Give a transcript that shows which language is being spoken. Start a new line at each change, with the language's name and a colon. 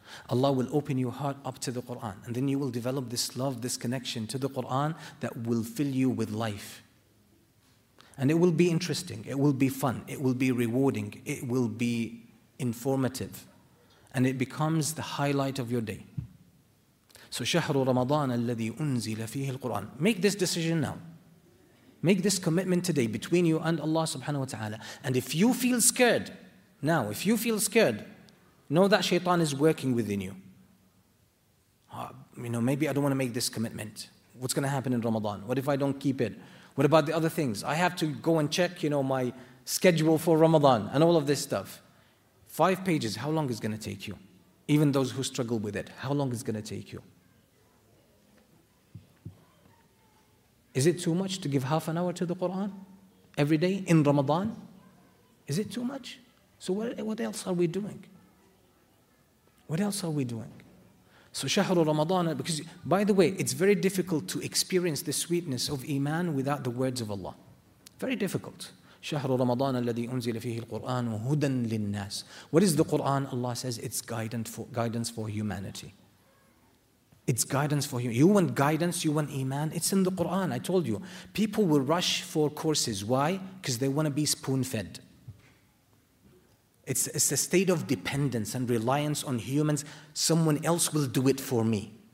English: Allah will open your heart up to the Quran. And then you will develop this love, this connection to the Quran that will fill you with life. And it will be interesting. It will be fun. It will be rewarding. It will be informative, and it becomes the highlight of your day.
Arabic: So شهر رمضان الذي أنزل فيه القرآن.
English: Make this decision now. Make this commitment today between you and Allah subhanahu wa ta'ala. And if you feel scared now, if you feel scared, know that shaitan is working within you. You know, maybe I don't want to make this commitment. What's going to happen in Ramadan? What if I don't keep it? What about the other things? I have to go and check, you know, my schedule for Ramadan and all of this stuff. 5 pages, how long is going to take you? Even those who struggle with it, how long is going to take you? Is it too much to give half an hour to the Quran every day in Ramadan? Is it too much? So what else are we doing? What else are we doing? So شهر رمضان, because by the way, it's very difficult to experience the sweetness of Iman without the words of Allah. Very difficult.
Arabic: شهر رمضان الذي أنزل فيه القرآن هدى للناس.
English: What is the Quran? Allah says it's guidance for humanity. It's guidance for you. You want guidance, you want Iman, it's in the Quran. I told you, people will rush for courses. Why? Because they want to be spoon-fed. It's a state of dependence and reliance on humans. Someone else will do it for me.